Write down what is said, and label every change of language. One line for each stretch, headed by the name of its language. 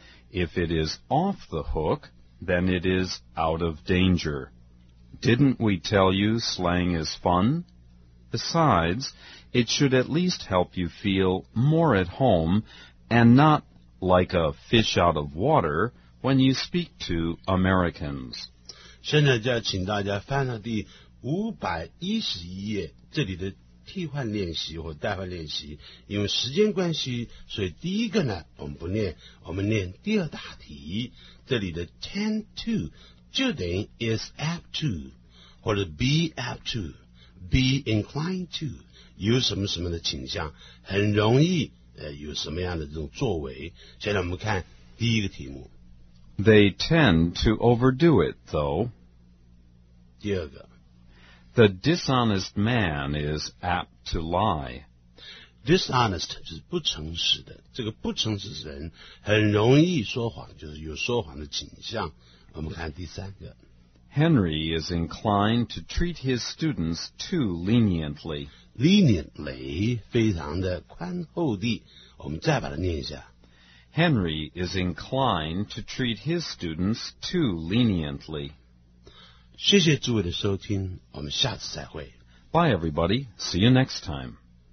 English: If it is off the hook, then it is out of danger. Didn't we tell you slang is fun? Besides, it should at least help you feel more at home and not like a fish out of water when you speak to Americans.
Chinese: 现在就要请大家翻到第511页，这里的替换练习或代换练习，因为时间关系，所以第一个呢，我们不念，我们念第二大题。这里的 tend to 就等于
English: is apt to，
Chinese: 或者
English: be apt to， be inclined to，
Chinese: 有什么什么的倾向，很容易有什么样的这种作为。现在我们看第一个题目。
English: They tend to overdo it, though.
Chinese: 第二个。
English: The dishonest man is apt to lie.
Chinese: Dishonest 就是不诚实的，这个不诚实人很容易说谎，就是有说谎的倾向。我们看第三个。
English: Henry is inclined to treat his students too leniently.
Chinese: Leniently 非常的宽厚地，我们再把它念一下。
English: Henry is inclined to treat his students too leniently.
Chinese: 谢谢诸位的收听，我们下次再会。
English: Bye everybody, see you next time.